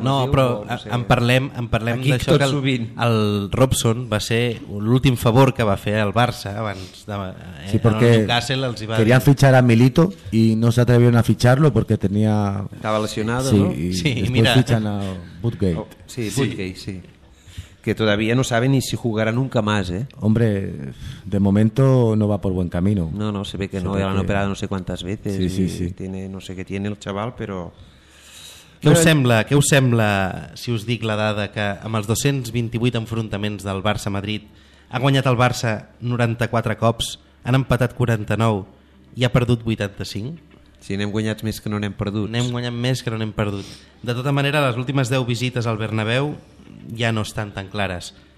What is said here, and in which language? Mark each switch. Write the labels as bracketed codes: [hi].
[ca] No, però en parlem d'això que el Robson va ser l'últim favor que va fer al Barça abans de, sí, perquè querien fitxar a Milito i no s'atrevien a fitxar-lo perquè tenia... [es] Estava lesionado, sí, no? [ca] I sí, i després fitxen a Woodgate. Oh, sí, Woodgate, sí. [es] Que todavía no sabe ni si jugará nunca más, ¿eh? Hombre, de momento no va por buen camino. No, se ve que no, ya lo han operado no sé cuántas veces. Sí, sí, sí. Tiene, no sé qué tiene el chaval, pero... [ca] Què us sembla, si us dic la dada, que amb els 228 enfrontaments del Barça-Madrid ha guanyat el Barça 94 cops, han empatat 49 i ha perdut 85? Sí, n'hem guanyat més que no n'hem perdut. N'hem guanyat més que no n'hem perdut. De tota manera, les últimes 10 visites al Bernabéu ja no estan tan clares.